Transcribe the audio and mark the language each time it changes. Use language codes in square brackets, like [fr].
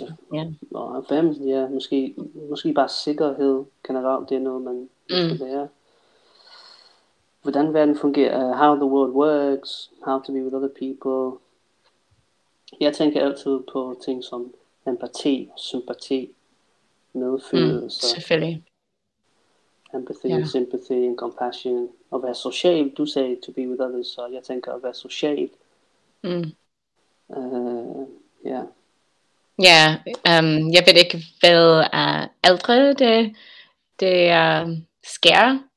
[da] Måske bare sikkerhed generelt, det er noget man skal lære. Hvordan verden fungerer, [en] how the world works, how to be with other people. [da] Jeg tænker altid på ting som empati, sympati, medfølelse. Selvfølgelig. [en] Empathy, yeah. Sympathy and compassion. [da] At være social, du sagde [en] to be with others, [da] så jeg tænker at være social. Jeg ved ikke, hvad ældre det sker.